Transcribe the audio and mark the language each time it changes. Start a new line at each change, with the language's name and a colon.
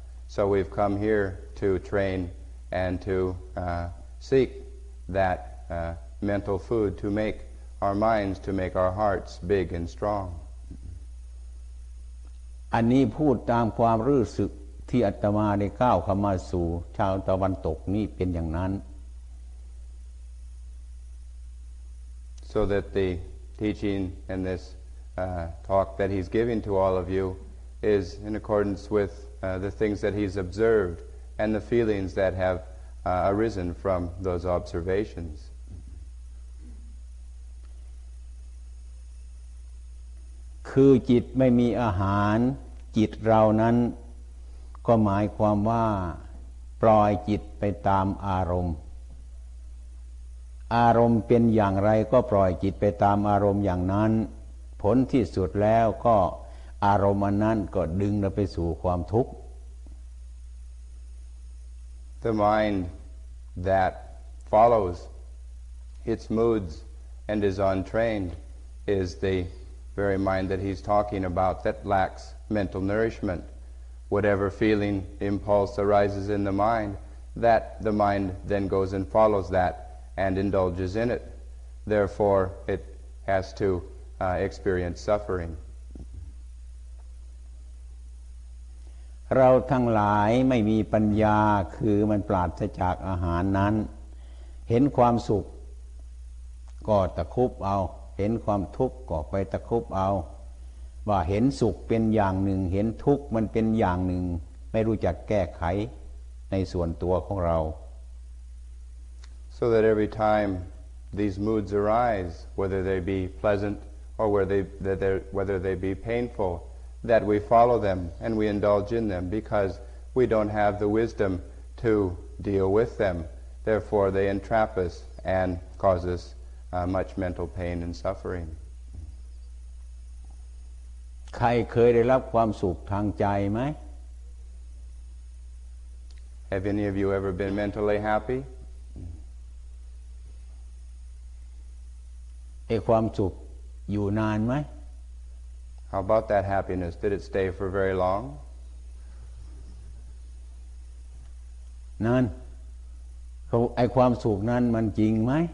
English: So we've come here to train and to seek that mental food to make our minds, to make our hearts big and strong.
Thai: อันนี้พูดตามความรู้สึกที่อาตมาได้ก้าวเข้ามาสู่ชาวตะวันตกนี่เป็นอย่างนั้น
English: So that the teaching and this talk that he's giving to all of you is in accordance with the things that he's observed and the feelings that have arisen from those observations
Thai: คือจิตไม่มีอาหารจิตเรานั้นก็หมายความว่าปล่อยจิตไปตามอารมณ์อารมณ์เป็นอย่างไรก็ปล่อยจิตไปตามอารมณ์อย่างนั้นผลที่สุดแล้วก็อารมณ์นั้นก็ดึงเราไปสู่ความทุกข์
English: The mind that follows its moods and is untrained is thevery mind that he's talking about that lacks mental nourishment. Whatever feeling, impulse arises in the mind, that the mind then goes and follows that and indulges in it. Therefore, it has to experience suffering.
Thai: เราทั้งหลายไม่มีปัญญาคือมันปราศจากอาหารนั้นเห็นความสุขก็ตะคุบเอาเห็นความทุกข์ก็ไปตะคุบเอาว่าเห็นสุขเป็นอย่างหนึ่งเห็นทุกข์มันเป็นอย่างหนึ่งไม่รู้จักแก้ไขในส่วนตัวของเรา
English: So that every time these moods arise whether they be pleasant or whether they be painful that we follow them and we indulge in them because we don't have the wisdom to deal with them therefore they entrap us and cause usmuch mental pain and suffering.
Thai: ใครเคยได้รับความสุขทางใจไหม
English: Have any of you ever been mentally happy?
Thai: ไอ้ความสุขอยู่นานไหม
English: How about that happiness? Did it stay for very long?
Thai: นั่นเขาไอความสุขนั้นมันจริงไหม